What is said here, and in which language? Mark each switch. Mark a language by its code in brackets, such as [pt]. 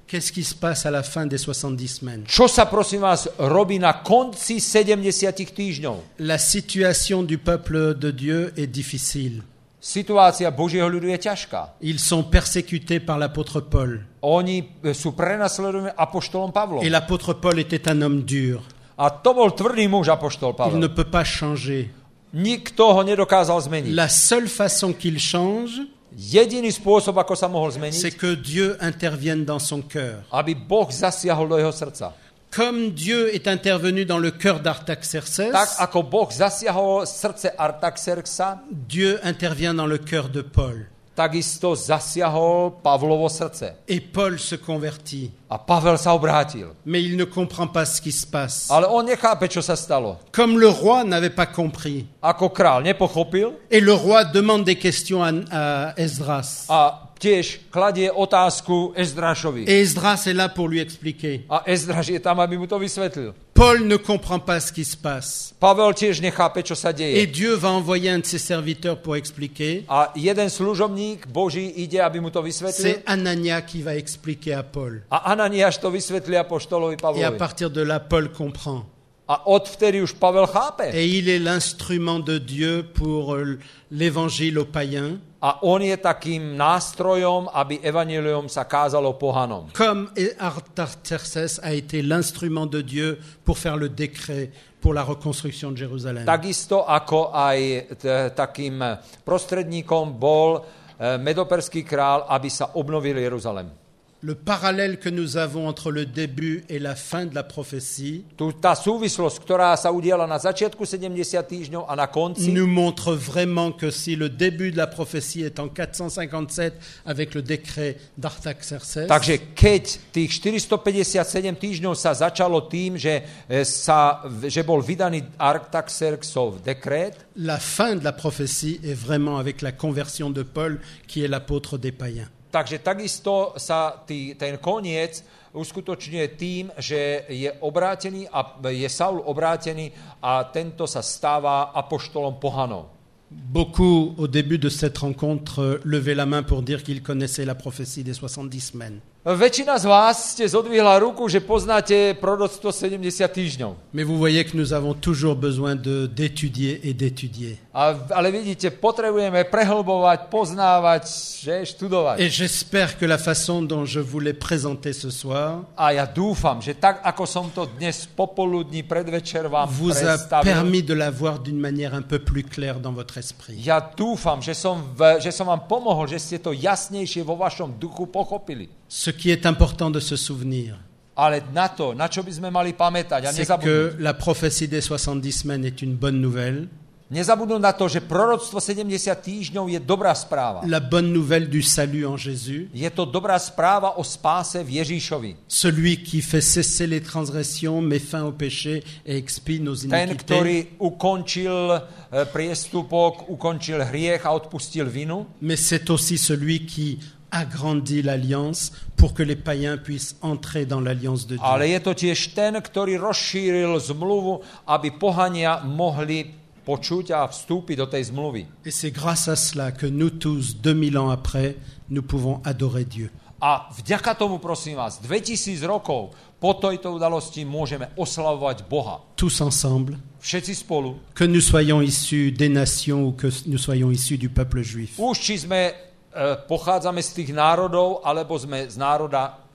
[fr] Qu'est-ce qui se passe à la fin des 70 semaines? [sk] Čo sa prosím vás robí na konci 70 týždňov? [fr] La situation du peuple de Dieu est difficile. [sk] Situácia Božieho ľudu je ťažká. [fr] Ils sont persécutés par l'apôtre Paul. [sk] Oni sú prenasledovaní apoštolom Pavlom. [fr] Et l'apôtre Paul était un homme dur. [sk] A to bol tvrdý muž apoštol Pavel. [fr] Il ne peut pas changer. [sk] Nikto ho nedokázal zmeniť. [fr] La seule façon qu'il change, [sk] jediný spôsob, ako sa mohol zmeniť, [fr] c'est que Dieu intervienne dans son cœur. [sk] Aby Boh zasiahol do jeho srdca. [fr] Comme Dieu est intervenu dans le cœur d'Artaxerxès, [sk] tak ako Boh zasiahol srdce Artaxerxa, [fr] Dieu intervient dans le cœur de Paul. [sk] Takisto zasiahol Pavlovo srdce. [fr] Et Paul se convertit. [sk] A Pavel sa obrátil. [fr] Mais il ne comprend pas ce qui se passe. [sk] Ale on nechápe, čo sa stalo. [fr] Comme le roi n'avait pas compris. [sk] Ako král nepochopil. [fr] Et le roi demande des questions à Esdras. [sk] A tiež kladie otázku Esdrašovi. [fr] Et Esdras est là pour lui expliquer. [sk] A Esdras je tam, aby mu to vysvetlil. [fr] Paul ne comprend pas ce qui se passe. [sk] Pavel tiež nechápe, čo sa deje. [fr] Et Dieu va envoyer un de ses serviteurs pour expliquer. [sk] A jeden služobník Boží ide, aby mu to vysvetlil. [fr] C'est Anania qui va expliquer à Paul. [sk] A Ananiáš to vysvetlí apoštolovi Pavlovi. [fr] Et à partir de là, Paul comprend. [sk] A odvtedy už Pavel chápe. [fr] Et il est l'instrument de Dieu pour l'évangile aux païens. [sk] A on je takým nástrojom, aby evanjelium sa kázalo pohanom. [fr] Comme Artaxerxès a été l'instrument de Dieu pour faire le décret pour la reconstruction de Jérusalem. [sk] Takisto ako aj takým prostredníkom bol medoperský král, aby sa obnovil Jeruzalém. [fr] Le parallèle que nous avons entre le début et la fin de la prophétie, [sk] tá súvislosť, ktorá sa udiala na začiatku 70 týždňov a na konci, [fr] nous montre vraiment que si le début de la prophétie est en 457 avec le décret d'Artaxerxès. [sk] Takže keď tých 457 týždňov sa začalo tým, že bol vydaný Artaxerxov dekret, [fr] la fin de la prophétie est vraiment avec la conversion de Paul qui est l'apôtre des païens. [sk] Takže takisto sa ten koniec uskutočňuje tým, že je obrátený a je Saul obrátený a tento sa stáva apoštolom pohanov. [fr] Beaucoup au début de cette rencontre levé la main pour dire qu'il connaissait la prophétie des 70 semaines. [sk] Väčšina z vás ste zodvihla ruku, že poznáte proroctvo 70 týždňov. [fr] Mais vous voyez que nous avons toujours besoin d'étudier et d'étudier. [sk] Ale vidíte, potrebujeme prehlbovať, poznávať, že študovať. [fr] Et j'espère que la façon dont je vous l'ai présenté ce soir, [sk] a ja dúfam, že tak ako som to dnes popoludní predvečer vám [fr] vous [sk] predstavil, [fr] a permis de la voir d'une manière un peu plus claire dans votre esprit. [sk] Ja dúfam, že som vám pomohol, že ste to jasnejšie vo vašom duchu pochopili. [fr] Ce qui est important de se souvenir. [sk] Ale na to, na čo by sme mali pamätať, a nezabudnúť. [fr] C'est que la prophétie des 70 semaines est une bonne nouvelle. [sk] Nezabudnúť na to, že proroctvo 70 týždňov je dobrá správa. [fr] La bonne nouvelle du salut en Jésus. [sk] Je to dobrá správa o spáse v Ježíšovi. [fr] Celui qui fait cesser les transgressions, met fin au péché et expie nos iniquités. [sk] Ten, ktorý ukončil priestupok, ukončil hriech a odpustil vinu. [fr] Mais c'est aussi celui qui agrandit l'alliance pour que les païens puissent entrer dans l'alliance de Dieu. [sk] Ale je to tiež ten, ktorý rozšíril zmluvu, aby pohania mohli počuť a vstúpiť do tej zmluvy. [fr] Et c'est grâce à cela que nous tous 2000 ans après nous pouvons adorer Dieu. [sk] A vďaka tomu, prosím vás, 2000 rokov po tejto udalosti môžeme oslavovať Boha. [fr] Tous ensemble. [sk] Všetci spolu. [fr] Que nous soyons issus des nations ou que nous soyons issus du peuple juif. [sk] Už či sme pochádzame z tých národov alebo sme z národa